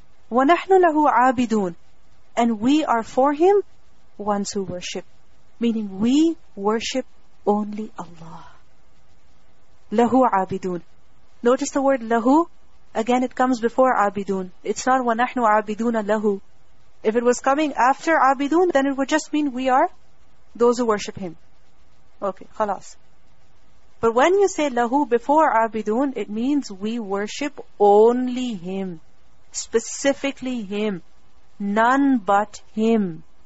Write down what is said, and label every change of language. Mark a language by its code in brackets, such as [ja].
[ar] وَنَحْنُ لَهُ عَابِدُونَ, [en] and we are for Him ones who worship. Meaning we worship only Allah. [ar] لَهُ عَابِدُونَ. [en] Notice the word لَهُ. Again, it comes before عَابِدُونَ. It's not [ar] وَنَحْنُ عَابِدُونَ لَهُ. [en] If it was coming after عَابِدُونَ, then it would just mean we are those who worship Him. Okay, خلاص. But when you say لَهُ before عَابِدُونَ, it means we worship only Him. Specifically Him, none but Him.